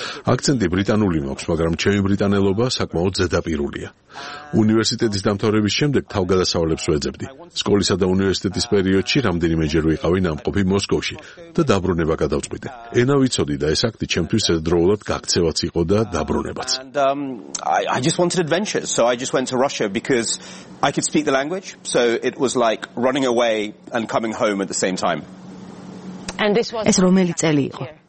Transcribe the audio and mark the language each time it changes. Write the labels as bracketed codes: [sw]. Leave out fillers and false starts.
[ka] აქცენტი ბრიტანული მაქვს, მაგრამ ჩემი ბრიტანელობა საკმაოდ ზედაპირულია. უნივერსიტეტის დამთავრების შემდეგ თავგადასავლებს ვეძებდი. სკოლისა და უნივერსიტეტის პერიოდში რამდენიმეჯერ ვიყავი ნამყოფი მოსკოვში და დაბრუნება გადავწყვიტე. ენა ვიცოდი და ეს აქტი ჩემთვის ერთდროულად გაქცევაც იყო და დაბრუნებაც. [en] I just wanted adventures, so I just went to Russia because I could speak the language, so it was like running away and coming home at the same time. And this was [ka] ეს რომელი წელი იყო?